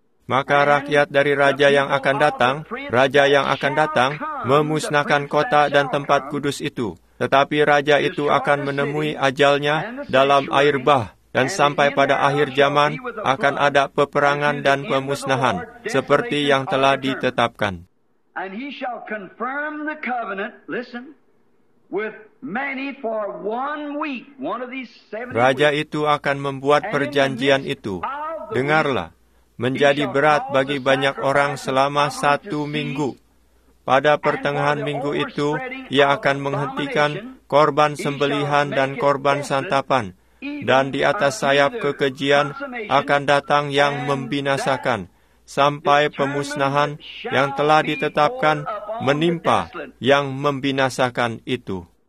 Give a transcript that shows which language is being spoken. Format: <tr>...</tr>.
<id>Maka rakyat dari raja yang akan datang, memusnahkan kota dan tempat kudus itu. Tetapi raja itu akan menemui ajalnya dalam air bah, dan sampai pada akhir zaman akan ada peperangan dan pemusnahan, seperti yang telah ditetapkan.</id> <en>And he shall confirm the covenant, listen, with many for 1 week, one of these 70 weeks.</en> <id>Raja itu akan membuat perjanjian itu, dengarlah, menjadi berat bagi banyak orang selama 1 minggu. Pada pertengahan minggu itu, ia akan menghentikan korban sembelihan dan korban santapan, dan di atas sayap kekejian akan datang yang membinasakan, sampai pemusnahan yang telah ditetapkan menimpa yang membinasakan itu.</id>